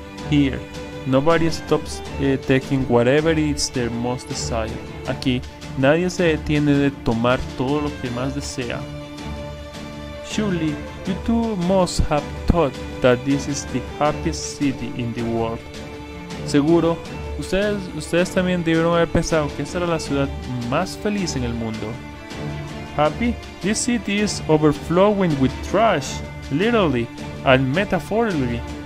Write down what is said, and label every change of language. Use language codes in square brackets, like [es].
[en] Here nobody stops taking whatever is their most desired. [es] Aquí nadie se detiene de tomar todo lo que más desea. [en] Surely you too must have thought that this is the happiest city in the world. [es] Seguro, ustedes también debieron haber pensado que esta era la ciudad más feliz en el mundo. [en] Happy? This city is overflowing with trash, literally and metaphorically.